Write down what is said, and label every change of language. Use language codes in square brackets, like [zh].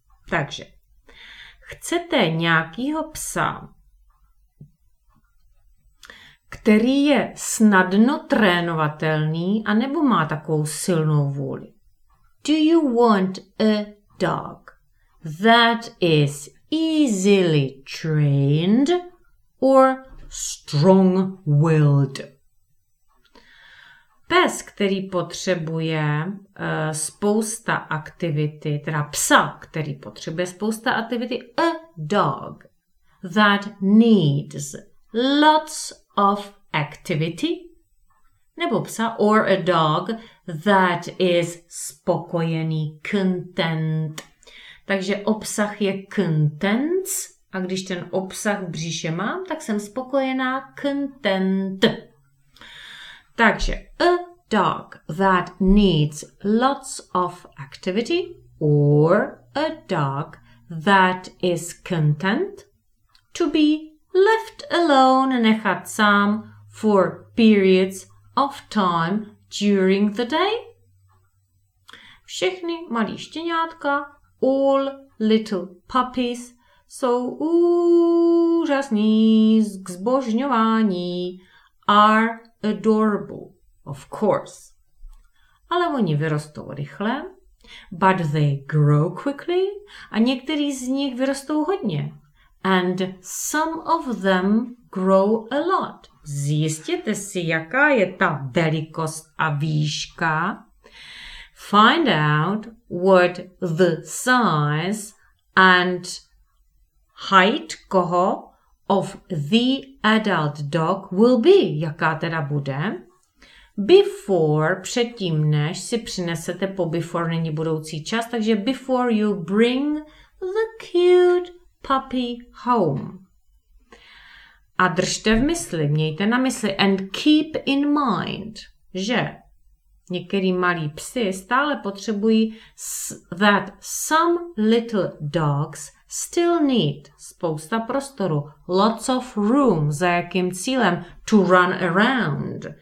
[cs] Takže, chcete nějakýho psa, který je snadno trénovatelný anebo má takovou silnou vůli? [en] Do you want a dog that is easily trained or strong-willed? [cs] Pes, který potřebuje spousta aktivity, teda psa, který potřebuje spousta aktivity, [en] a dog that needs lots of activity, [cs] nebo psa, [en] or a dog that is [cs] spokojený, content. Takže obsah je contents, a když ten obsah v břiše mám, tak jsem spokojená, content. [en] Takže a dog that needs lots of activity or a dog that is content to be left alone, [cs] nechat sám, [en] for periods of time during the day. [cs] Všechny malí štěňátka, [en] all little puppies, [cs] jsou úžasní k zbožňování, [en] are adorable. Of course. [cs] Ale oni vyrostou rychle. [en] But they grow quickly. [cs] A některý z nich vyrostou hodně. [en] And some of them grow a lot. [cs] Zjistěte si, jaká je ta velikost a výška. [en] Find out what the size and height koho of the adult dog will be. [cs] Jaká teda bude? Before, předtím než si přinesete, po before není budoucí čas, takže [en] before you bring the cute puppy home. [cs] A držte v mysli, mějte na mysli [en] and keep in mind, [cs] že některý malí psy stále potřebují [en] that some little dogs still need [cs] spousta prostoru, [en] lots of room, [cs] za jakým cílem [en] to run around,